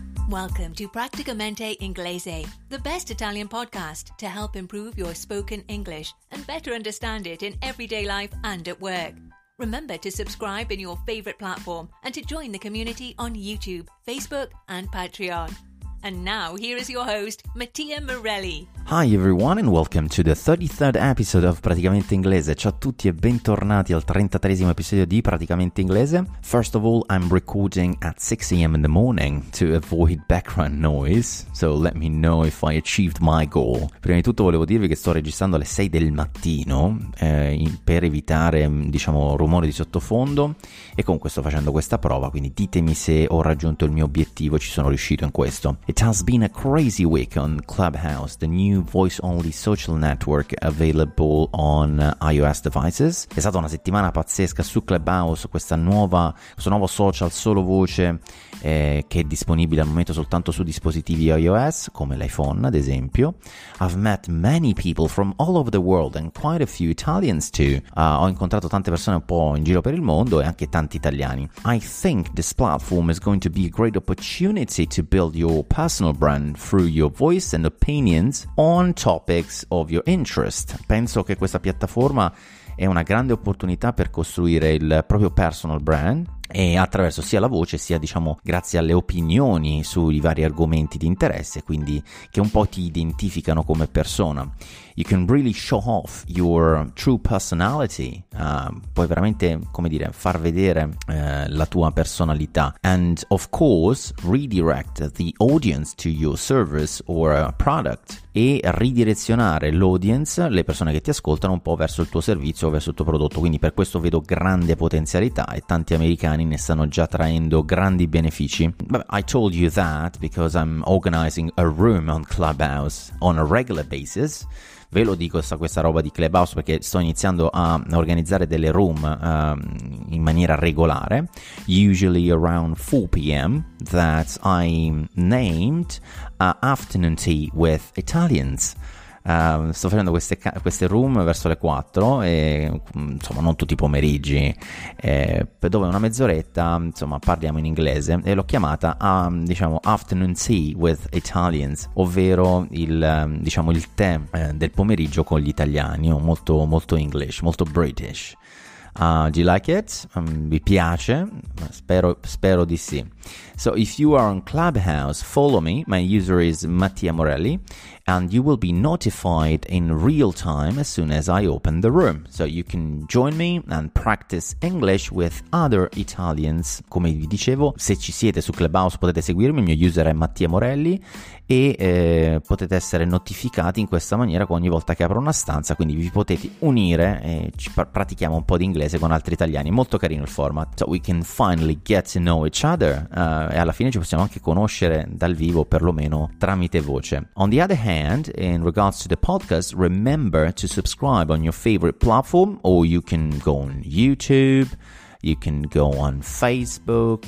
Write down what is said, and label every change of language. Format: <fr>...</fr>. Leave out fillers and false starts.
<en>Welcome to Practicamente Inglese, the best Italian podcast to help improve your spoken English and better understand it in everyday life and at work. Remember to subscribe in your favorite platform and to join the community on YouTube, Facebook and Patreon. And now here is your host, Mattia Morelli. Hi everyone and welcome to the 33rd episode of Praticamente Inglese.</en> <it>Ciao a tutti e bentornati al 33esimo episodio di Praticamente Inglese.</it> <en>First of all, I'm recording at 6 a.m. in the morning to avoid background noise, so let me know if I achieved my goal.</en> <it>Prima di tutto volevo dirvi che sto registrando alle 6 del mattino per evitare, diciamo, rumori di sottofondo e comunque sto facendo questa prova, quindi ditemi se ho raggiunto il mio obiettivo, ci sono riuscito in questo.</it> <en>It has been a crazy week on Clubhouse, the new voice-only social network available on iOS devices.</en> <it>È stata una settimana pazzesca su Clubhouse, questo nuovo social solo voce che è disponibile al momento soltanto su dispositivi iOS, come l'iPhone ad esempio.</it> <en>I've met many people from all over the world and quite a few Italians too.</en> <it>Ho incontrato tante persone un po' in giro per il mondo e anche tanti italiani.</it> <en>I think this platform is going to be a great opportunity to build your personal brand through your voice and opinions on topics of your interest.</en> <it>Penso che questa piattaforma è una grande opportunità per costruire il proprio personal brand e attraverso sia la voce sia, diciamo, grazie alle opinioni sui vari argomenti di interesse, quindi che un po' ti identificano come persona.</it> <en>You can really show off your true personality.</en> <it>Puoi veramente, come dire, far vedere la tua personalità.</it> <en>And of course, redirect the audience to your service or a product.</en> <it>E ridirezionare l'audience, le persone che ti ascoltano, un po' verso il tuo servizio o verso il tuo prodotto. Quindi per questo vedo grande potenzialità e tanti americani ne stanno già traendo grandi benefici.</it> <en>But I told you that because I'm organizing a room on Clubhouse on a regular basis.</en> <it>Ve lo dico questa roba di Clubhouse perché sto iniziando a organizzare delle room in maniera regolare,</it> <en>usually around 4 p.m. that I named afternoon tea with Italians.</en> <it>Sto facendo queste room verso le 4 e insomma non tutti i pomeriggi, dove una mezz'oretta insomma parliamo in inglese e l'ho chiamata diciamo</it> <en>afternoon tea with Italians,</en> <it>ovvero il tè del pomeriggio con gli italiani, molto molto English, molto British.</it> <en>Do you like it?</en> <it>Vi piace? Spero di sì.</it> <en>So if you are on Clubhouse, follow me. My user is Mattia Morelli and you will be notified in real time as soon as I open the room. So you can join me and practice English with other Italians.</en> <it>Come vi dicevo, se ci siete su Clubhouse potete seguirmi, il mio user è Mattia Morelli e potete essere notificati in questa maniera ogni volta che apro una stanza, quindi vi potete unire e ci pratichiamo un po' di inglese con altri italiani. Molto carino il format.</it> <en>So we can finally get to know each other.</en> <it>E alla fine ci possiamo anche conoscere dal vivo, perlomeno tramite voce.</it> <en>On the other hand, in regards to the podcast, remember to subscribe on your favorite platform, or you can go on YouTube, you can go on Facebook.</en>